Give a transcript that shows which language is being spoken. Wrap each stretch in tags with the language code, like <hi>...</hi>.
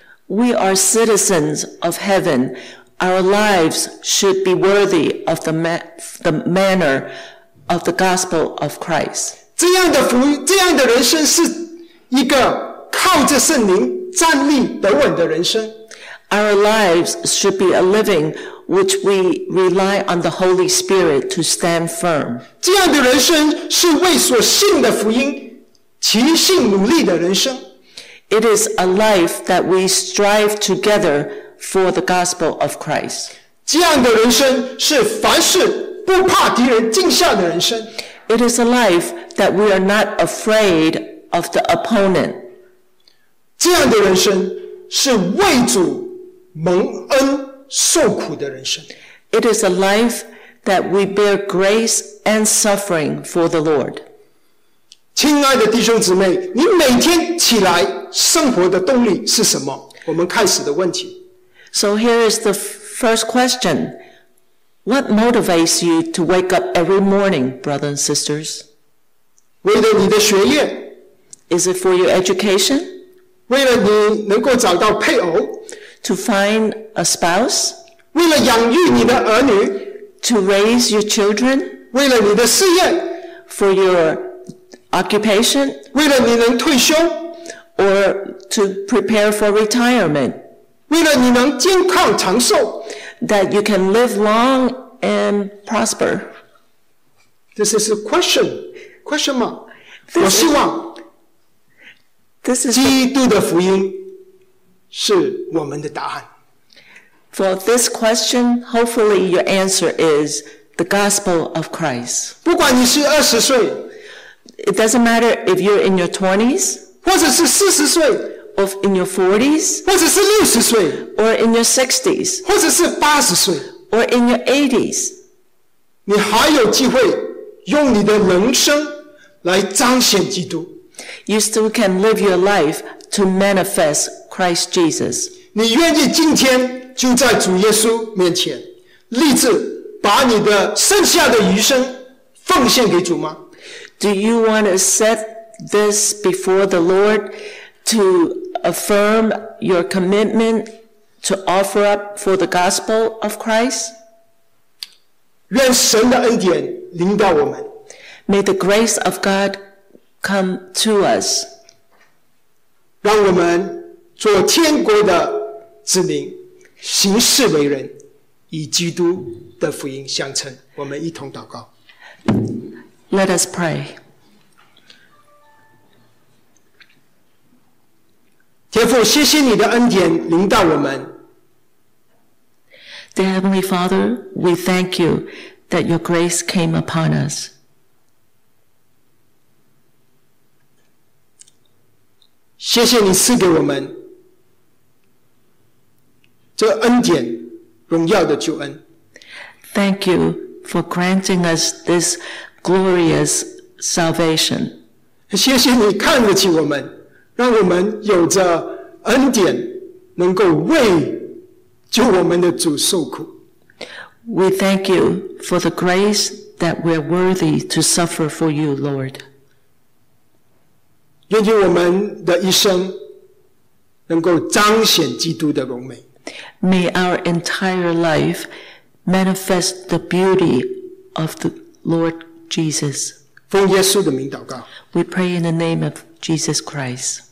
<en>We are citizens of heaven. Our lives should be worthy of the manner of the gospel of Christ.</en> <zh>这样的福音，这样的人生是一个靠着圣灵站立得稳的人生。</zh> <en>Our lives should be a living which we rely on the Holy Spirit to stand firm.</en> <zh>这样的人生是为所信的福音齐心努力的人生。</zh> <en>It is a life that we strive together for the gospel of Christ.</en> <zh>这样的人生是凡事不怕敌人惊吓的人生。</zh> <en>It is a life that we are not afraid of the opponent.</en> <zh>这样的人生是为主蒙恩受苦的人生。</zh> <en>It is a life that we bear grace and suffering for the Lord.</en> <zh>亲爱的弟兄姊妹，你每天起来生活的动力是什么？我们开始的问题。</zh> <en>So here is the first question. What motivates you to wake up every morning, brothers and sisters?</en> <zh>为了你的学业。</zh> <en>Is it for your education?</en> <zh>为了你能够找到配偶。</zh> <en>To find a spouse?</en> <zh>为了养育你的儿女。</zh> <en>To raise your children?</en> <zh>为了你的事业。</zh> <en>For your occupation?</en> <zh>为了你能退休。</zh> <en>Or to prepare for retirement?</en> <zh>为了你能健康长寿。</zh> <en>That you can live long and prosper. This is a question. Question mark.</en> <zh>我希望基督的福音是我们的答案。</zh> <en>For this question, hopefully your answer is the gospel of Christ.</en> <zh>不管你是二十岁，</zh> <en>It doesn't matter if you're in your 20s,</en> <zh>或者是四十岁，</zh> <en>or in your 40s,</en> <zh>或者是六十岁，</zh> <en>or in your 60s,</en> <zh>或者是八十岁，</zh> <en>or in your 80s,</en> <zh>你还有机会用你的人生来彰显基督。</zh> <en>You still can live your life to manifest Christ Jesus.</en> <zh>你愿意今天就在主耶稣面前立志把你的剩下的余生奉献给主吗？</zh> <en>Do you want to set this before the Lord to affirm your commitment to offer up for the gospel of Christ?</en> <zh>愿神的恩典临到我们。</zh> <en>May the grace of GodCome to us.</en> <zh>让我们做天国的子民，行事为人，以基督的福音相称。我们一同祷告。</zh> <en>Let us pray.</en> <zh>天父，谢谢你的恩典临到我们。</zh> <en>The Heavenly Father, we thank you that your grace came upon us.</en> <zh>谢谢你赐给我们这恩典，荣耀的救恩。</zh> <en>Thank you for granting us this glorious salvation.</en> <zh>谢谢你看得起我们，让我们有着恩典，能够为救我们的主受苦。</zh> <en>We thank you for the grace that we're worthy to suffer for you, Lord.</en> <zh>愿意我们的一生能够彰显基督的荣美。</zh> <en>May our entire life manifest the beauty of the Lord Jesus.</en> <zh>奉耶稣的名祷告。</zh> <en>We pray in the name of Jesus Christ.</en>